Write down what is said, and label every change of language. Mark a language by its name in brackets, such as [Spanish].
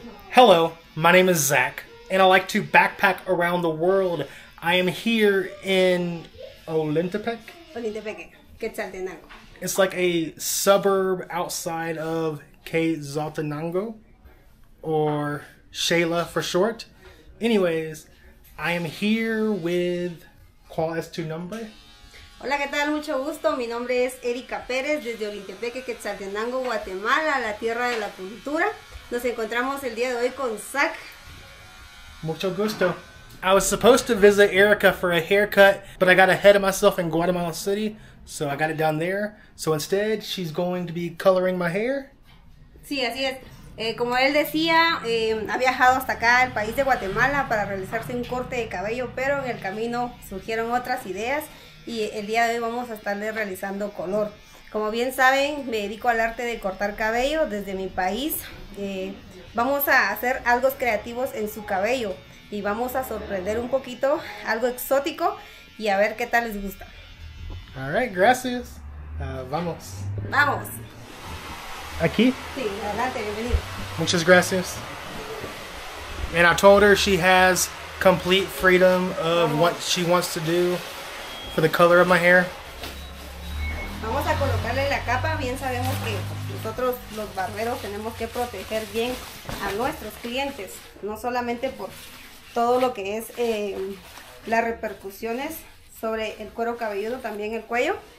[English] Hello, my name is Zach, and I like to backpack around the world. I am here in Olintepec. Olintepec, Quetzaltenango. It's like a suburb outside of Quetzaltenango, or Shayla for short. Anyways, I am here with [Spanish] ¿Cuál es tu nombre? Hola, ¿qué tal? Mucho gusto. Mi nombre es Erika Pérez, desde Olintepeque, Quetzaltenango, Guatemala, la tierra de la cultura. Nos encontramos el día de hoy con Zach. Mucho gusto. [English] I was supposed to visit Erica for a haircut, but I got ahead of myself in Guatemala City, so I got it down there. So instead, she's going to be coloring my hair. [Spanish] Sí, así es. Como él decía, ha viajado hasta acá, al país de Guatemala, para realizarse un corte de cabello, pero en el camino surgieron otras ideas. Y el día de hoy vamos a estarle realizando color. Como bien saben, me dedico al arte de cortar cabello desde mi país. Vamos a hacer algo creativos en su cabello y vamos a sorprender un poquito, algo exótico, y a ver qué tal les gusta. [English] All right, [Spanish] gracias. Vamos. Vamos. ¿Aquí? Sí, adelante, bienvenido. Muchas gracias. [English] And I told her she has complete freedom of what she wants to do. For the color of my hair. [Spanish] Vamos a colocarle la capa. Bien sabemos que nosotros los barberos tenemos que proteger bien a nuestros clientes, no solamente por todo lo que es las repercusiones sobre el cuero cabelludo, también el cuello.